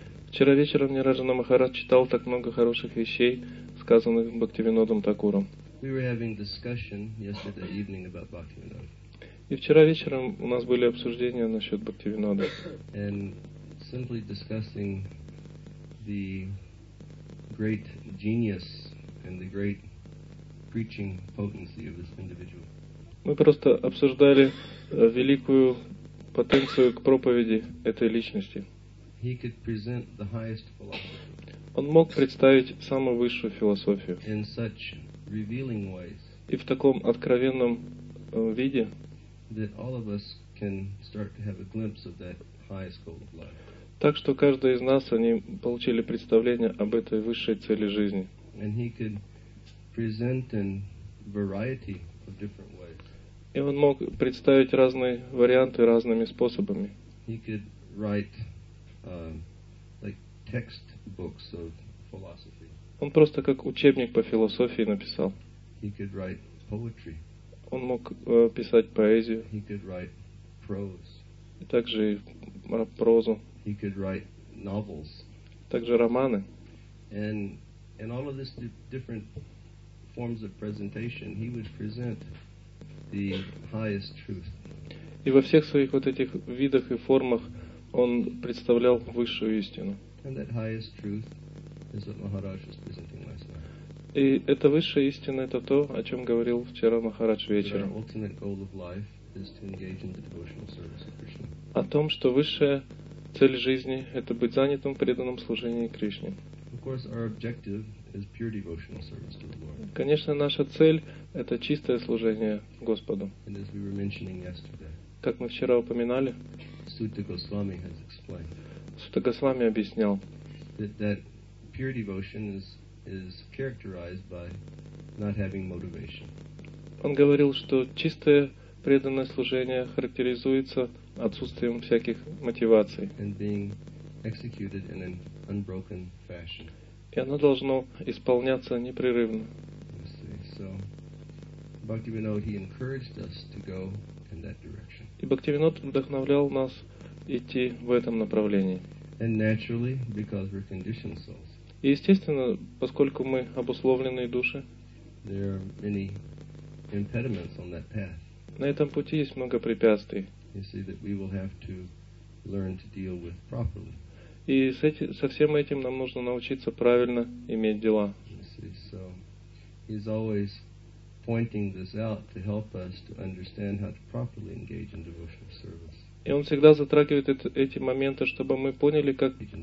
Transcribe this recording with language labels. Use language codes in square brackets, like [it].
[ru] Вчера вечером Ниранджана Махарадж читал так много хороших вещей, сказанных Бхактивинодом Такуром. И вчера вечером у нас были обсуждения насчет Бхактивинода. [en] And simply discussing the great genius and the great preaching potency of this individual. [ru] Мы просто обсуждали великую потенцию к проповеди этой личности. [en] He could present the highest philosophy. [ru] Он мог представить самую высшую философию. [en] In such revealing ways, [ru] и в таком откровенном виде, [en] that all of us can start to have a glimpse of that highest goal of life. [ru] Так что каждый из нас они получили представление об этой высшей цели жизни. [en] And he could present in variety of different ways. [ru] И он мог представить разные варианты разными способами. [en] He could write, like textbooks of philosophy. [ru] Он просто как учебник по философии написал. [en] He could write poetry. [ru] Он мог писать поэзию. [en] He could write prose. [ru] И также и прозу. [en] He could write novels. [ru] Также романы. [en] And all of this different forms of presentation he would present. The highest truth. [ru] И во всех своих вот этих видах и формах он представлял высшую истину. [en] And that highest truth is what Maharaj was presenting last night. [ru] И эта высшая истина — это то, о чем говорил вчера Махарадж вечером. [en] The ultimate goal of life is to engage in the devotional service of Krishna. [ru] О том, что высшая цель жизни — это быть занятым преданным служением Кришне. [en] Of course, our objective is pure devotional service to the Lord. [ru] Конечно, наша цель — это чистое служение Господу. [en] And as we were mentioning yesterday, [ru] как мы вчера упоминали, [en] Sutta Goswami has explained. [ru] Sutta Goswami объяснял, [en] that pure devotion is characterized by not having motivation. [ru] Он говорил, что чистое преданное служение характеризуется отсутствием всяких мотиваций. [en] And being executed in an unbroken fashion. [ru] И оно должно исполняться непрерывно. [en] So, Bhaktivinoda, he encouraged us to go in that direction. [ru] И Бхактивинод вдохновлял нас идти в этом направлении. [en] And naturally, because we're conditioned souls. [ru] И естественно, поскольку мы обусловленные души, [en] there are many impediments on that path. [ru] На этом пути есть много препятствий. [en] You see that we will have to learn to deal with properly. [ru] И со всем этим нам нужно научиться правильно иметь дела. [en] So, he's always pointing this out to help us to understand how to properly engage in devotional service. [ru] И он всегда затрагивает эти моменты, чтобы мы поняли, как